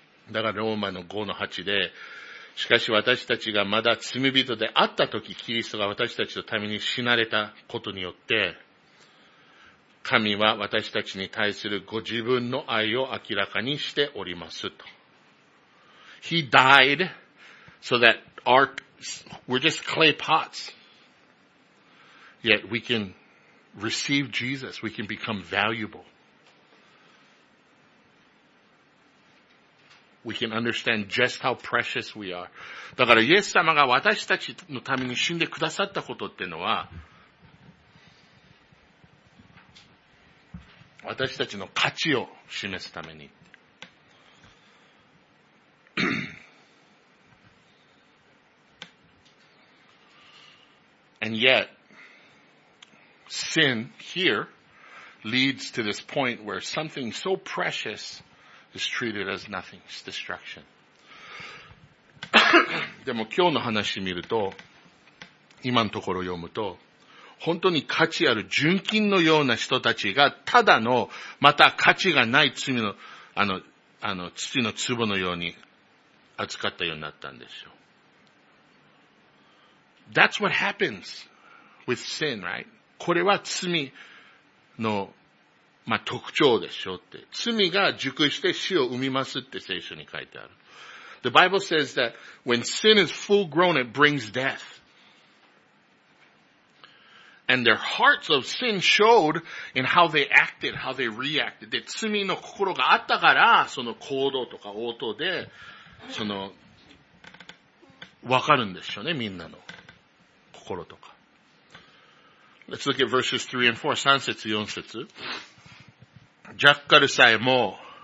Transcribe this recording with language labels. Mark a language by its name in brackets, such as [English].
[Japanese] だからローマの5の8で、しかし私たちがまだ罪人であった時、キリストが私たちのために死なれたことによって、神は私たちに対するご自分の愛を明らかにしておりますと。 [English] He died so that our We're just clay pots. Yet we can receive Jesus. We can become valuable. We can understand just how precious we are. [Japanese] だからイエス様が私たちのために死んでくださったことってのは、私たちの価値を示すために。 [English] And yet, sin here leads to this point where something so precious is treated as nothing, it's destruction. [Japanese] でも今日の話見ると、今のところ読むと、本当に価値ある純金のような人たちが、ただの、また価値がない罪の、土の壺のように扱ったようになったんですよ。 [English] That's what happens with sin, right? [Japanese] これは罪の、まあ、特徴でしょって。罪が熟して死を生みますって聖書に書いてある。 [English] The Bible says that when sin is full grown, it brings death. And their hearts of sin showed in how they acted, how they reacted. [Japanese] で、罪の心があったから、その行動とか応答で、その、わかるんでしょうね、みんなの。 [English] Let's look at verses 3 and 4. [Japanese] 3節4節。ジャッカルさえも